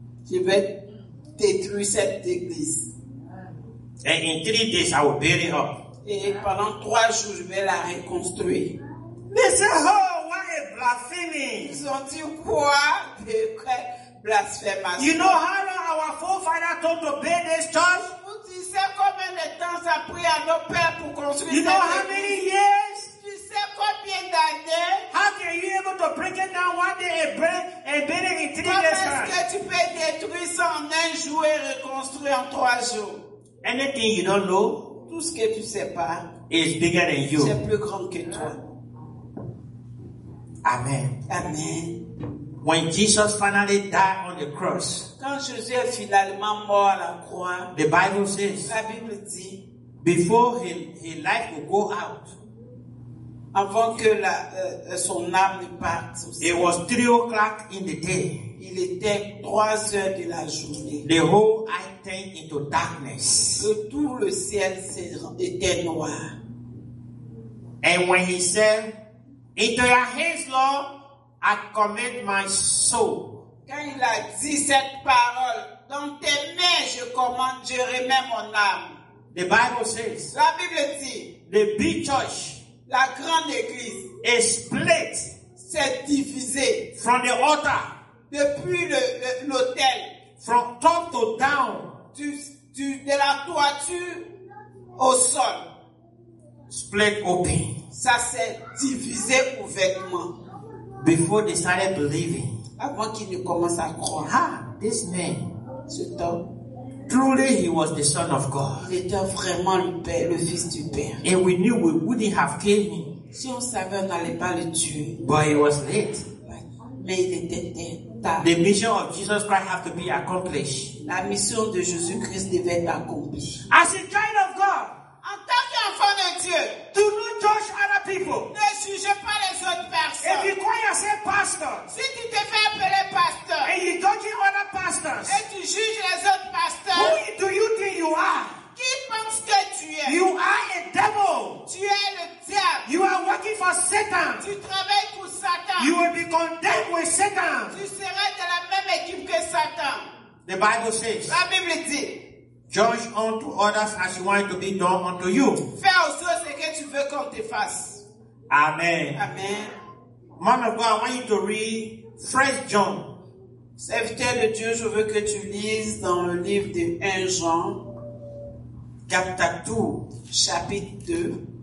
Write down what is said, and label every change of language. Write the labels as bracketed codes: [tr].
[fr] Je vais détruire cette église. [en] And in 3 days I will build it up. [fr] Et pendant 3 jours je vais la reconstruire. [en] They said, oh, what a blasphemy. [fr] Ils ont dit quoi? De quoi blasphémation? [en] You know how long our forefathers told to build this church? [fr] Vous savez combien de temps ça a pris à nos pères pour construire cette église? [en] You know how many years? [fr] Tu sais combien d'années? [en] How can you able to break it down one day and build it in 3 days? [fr] Comment est-ce que tu peux détruire ça en un jour et reconstruire en 3 jours? [en] Anything you don't know, [fr] tout ce que tu sais pas, [en] is bigger than you. [fr] C'est plus grand que toi. [en] Amen. [fr] Amen. [en] When Jesus finally died on the cross, [fr] quand Jésus est finalement mort à la croix, [en] the Bible says, [fr] la Bible dit, [en] before his life will go out. [fr] Avant que la, son âme ne parte aussi. [en] It was 3 o'clock in the day. [fr] Il était 3 heures de la journée. [en] The whole eye turned into darkness. [fr] Que tout le ciel était noir. [en] And when he said, "Into your hands, Lord, I commit my soul." [fr] Quand il a dit cette parole, dans tes mains je commande, je remets mon âme. [en] The Bible says. [fr] La Bible dit. [en] The big church. [fr] La grande église [en] est split, [fr] s'est divisée [en] from the altar, [fr] depuis l'autel, [en] from top to down, [fr] de la toiture au sol, [en] split open. [fr] Ça s'est divisé ouvertement. [en] Before they started believing, [fr] avant qu'ils ne commencent à croire, [en] this man, [fr] cet homme. [en] Truly, he was the Son of God. [fr] Il était vraiment le Père, le Fils du Père. [en] And we knew we wouldn't have killed him. [fr] Si on savait, on n'allait pas le tuer. [en] But it was late. [fr] Mais il était tard. [en] The mission of Jesus Christ had to be accomplished. [fr] La mission de Jésus Christ devait être accomplie. [en] As a child of God, [fr] en tant qu'enfant de Dieu, [en] do not judge other people. [fr] Ne jugez pas les autres personnes. [en] If you call yourself pastor, [fr] si tu te fais appeler pasteur, [en] and you judge other pastors, [fr] et tu juges les autres. [en] Who do you think you are? [fr] Qui pense que tu es? [en] You are a devil. [fr] Tu es le diable. [en] You are working for Satan. [fr] Tu travailles pour Satan. [en] You will be condemned with Satan. [fr] Tu seras de la même équipe que Satan. [en] The Bible says. [fr] La Bible dit. [en] Judge unto others as you want to be done unto you. [fr] Fais aux autres ce que tu veux qu'on te fasse. [en] Amen. [fr] Amen. [en] Man of God, I want you to read 1 John. [fr] Serviteur de Dieu, je veux que tu lises dans le livre de 1 Jean, chapitre 2,